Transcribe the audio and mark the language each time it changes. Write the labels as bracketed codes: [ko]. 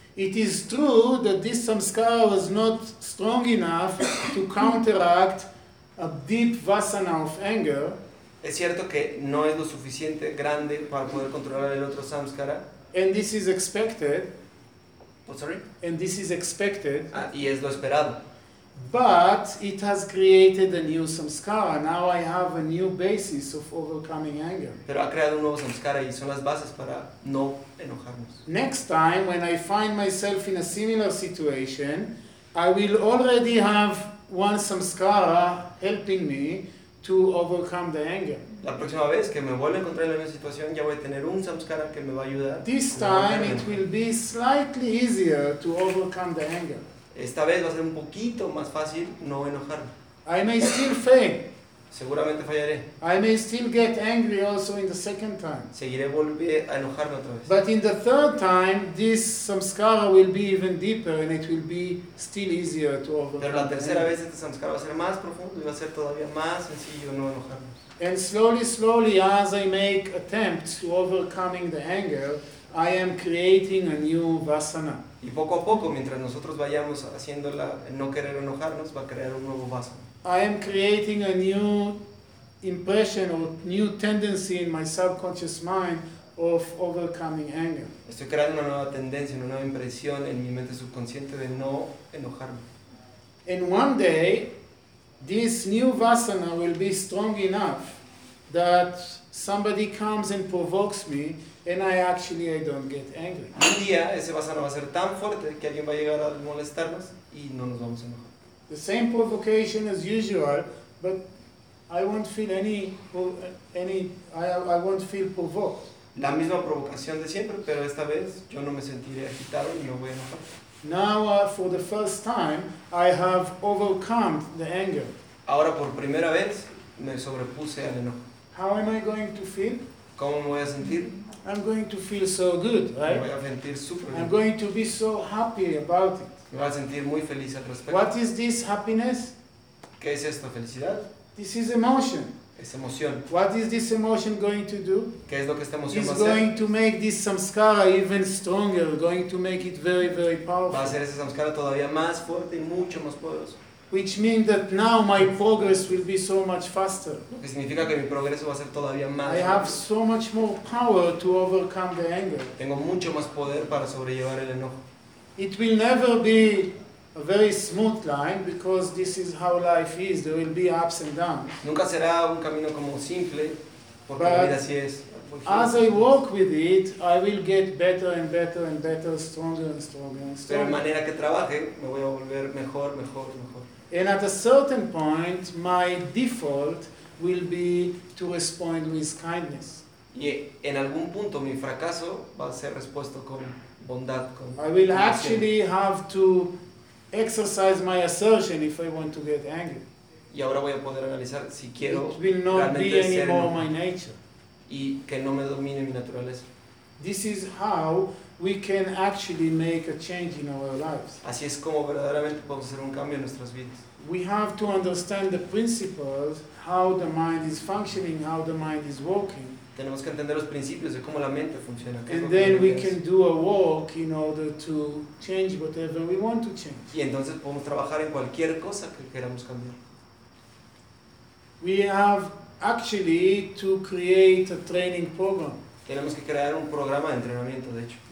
[en] It is true that this samskara was not strong enough to counteract a deep vasana of anger. [es] Es cierto que no es lo suficiente grande para poder controlar el otro samskara. [en] And this is expected. Oh, sorry? And this is expected. [es] Ah, y es lo esperado. [en] But it has created a new samskara. Now I have a new basis of overcoming anger. [es] Pero ha creado un nuevo samskara y son las bases para no enojarnos. [en] Next time, when I find myself in a similar situation, I will already have one samskara helping me to overcome the anger. [es] La próxima vez que me vuelva a encontrar en la misma situación, ya voy a tener un samskara que me va a ayudar. [en] This time it will be slightly easier to overcome the anger. [es] Esta vez va a ser un poquito más fácil no enojarme. [en] I may still fail. [es] Seguramente fallaré. [en] I may still get angry also in the second time. [es] Seguiré volver a enojarme otra vez. [en] But in the third time, this samskara will be even deeper and it will be still easier to overcome. [es] Pero la tercera vez este samskara va a ser más profundo y va a ser todavía más sencillo no enojarnos. [en] And slowly, slowly, as I make attempts to overcoming the anger, I am creating a new vasana. [es] Y poco a poco, mientras nosotros vayamos haciendo la no querer enojarnos, va a crear un nuevo vasana. [en] I am creating a new impression or new tendency in my subconscious mind of overcoming anger. [es] Estoy creando una nueva tendencia, una nueva impresión en mi mente subconsciente de no enojarme. [en] And one day, this new vasana will be strong enough that somebody comes and provokes me and I don't get angry. [es] Un día ese vasana va a ser tan fuerte que alguien va a llegar a molestarnos y no nos vamos a enojar. [en] The same provocation as usual, but I won't feel I won't feel provoked. [es] La misma provocación de siempre, pero esta vez yo no me sentiré agitado y no voy a enojar. [en] Now, for the first time, I have overcome the anger. [es] Ahora por primera vez me sobrepuse al enojo. [en] How am I going to feel? [es] ¿Cómo me voy a sentir? [en] I'm going to feel so good, right? [es] Me voy a sentir super bien. [en] I'm going to be so happy about it. [es] Me voy a sentir muy feliz al respecto. [en] What is this happiness? [es] ¿Qué es esto, felicidad? [en] This is emotion. [es] Es emoción. [en] What is this emotion going to do? [es] ¿Qué es lo que esta emoción [en] It's [es] va a hacer? [en] going to make this samskara even stronger, going to make it very, very powerful. [es] Va a hacer ese samskara todavía más fuerte y mucho más poderoso. [en] Which means that now my progress will be so much faster. [es] Lo que significa que mi progreso va a ser todavía más. [en] I have so much more power to overcome the anger. [es] Tengo mucho más poder para sobrellevar el enojo. [en] It will never be a very smooth line because this is how life is. There will be ups and downs. [es] Nunca será un camino como simple porque la vida así es. [en] As I walk with it, I will get better and better and better, stronger and stronger and stronger. [es] Pero de manera que trabaje, me voy a volver mejor, mejor, mejor. [en] And at a certain point, my default will be to respond with kindness. [es] Y en algún punto mi fracaso va a ser respuesto con bondad, con [en] I will actually have to exercise my assertion if I want to get angry. [es] Y ahora voy a poder analizar si quiero [en] it will not be anymore my nature. [es] Y que no me domine mi naturaleza. [en] This is how we can actually make a change in our lives. [es] Así es como verdaderamente podemos hacer un cambio en nuestras vidas. [en] We have to understand the principles, how the mind is functioning, how the mind is working. [es] tenemos que entender los principios de cómo la mente funciona. [en] And then we can do a walk in order to change whatever we want to change. [es] Y entonces podemos trabajar en cualquier cosa que queramos cambiar. [en] We have actually to create a training program. [es] Tenemos que crear un programa de entrenamiento, de hecho.